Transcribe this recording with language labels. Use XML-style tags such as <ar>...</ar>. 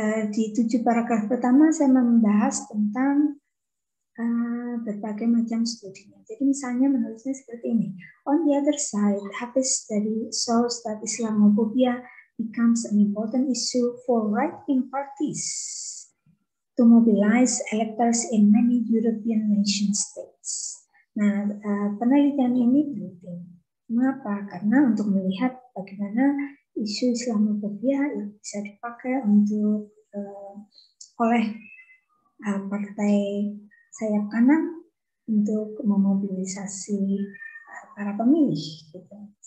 <id>Di 7 paragraf pertama saya membahas tentang berbagai macam studinya. Jadi misalnya menulisnya seperti ini.</id> <en>On the other side, Hafiz study shows that Islamophobia becomes an important issue for right-wing parties to mobilize electors in many European nation states.</en> <id>Nah, penelitian ini penting. Mengapa? Karena untuk melihat bagaimana isu Islamophobia bisa dipakai untuk oleh partai sayap kanan untuk memobilisasi para pemilih. Gitu.</id>